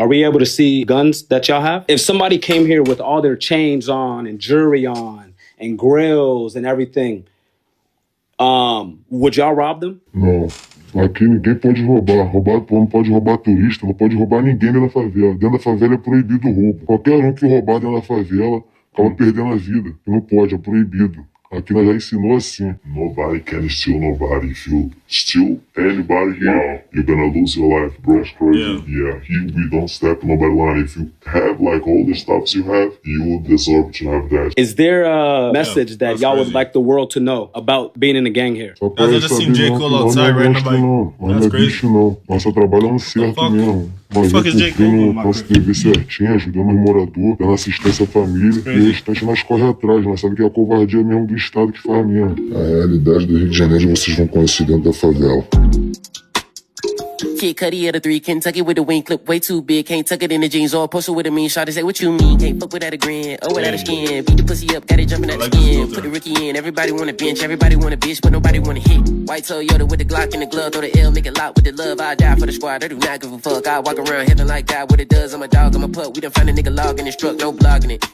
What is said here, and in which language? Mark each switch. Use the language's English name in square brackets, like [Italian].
[English] Are we able to see guns that y'all have? If somebody came here with all their chains on and jewelry on and grills and everything, would y'all rob them? [Portuguese] No. Aqui ninguém pode roubar. Roubar não pode roubar turista, não pode roubar ninguém dentro da favela. Dentro da favela é proibido roubo. Qualquer que roubar dentro da favela acaba perdendo a vida. Não pode, é proibido. Aqui nós já ensinou assim. [English] Nobody can steal nobody. If you steal anybody here, you're gonna lose your life, bro. That's crazy. Yeah. Yeah. Here we don't step nobody line. If you have like all the stuff you have, you deserve to have that. Is there a message that y'all crazy. Would like the world to know about being in a gang here? [Portuguese] Só pra [English] just seen J. Cole outside right now. That's crazy. [Portuguese] Bicho, não. Nosso trabalho é um certo mesmo. Mas o que [English] fuck is J. [Portuguese] Cole? Nosso dever certinho, ajudando os moradores, dando assistência à família. E o restante nós corre atrás. Nós sabemos que é a covardia mesmo do estado que faz mesmo. A realidade do Rio de Janeiro vocês vão conhecer dentro da favela. [English] Kid Cudi at a three, Kentucky with a wing clip, way too big. Can't tuck it in the jeans, all pusher with a mean shot. I say, what you mean? Can't fuck without a grin, oh, without a skin. Beat the pussy up, got it jumping out the skin. Put the rookie in, everybody want a bench, everybody want a bitch, but nobody want a hit. White Toyota with the Glock in the glove, throw the L, make a lot with the love. I die for the squad, I do not give a fuck. I walk around heaven like God, what it does, I'm a dog, I'm a pup. We done find a nigga logging and struck, no blogging it.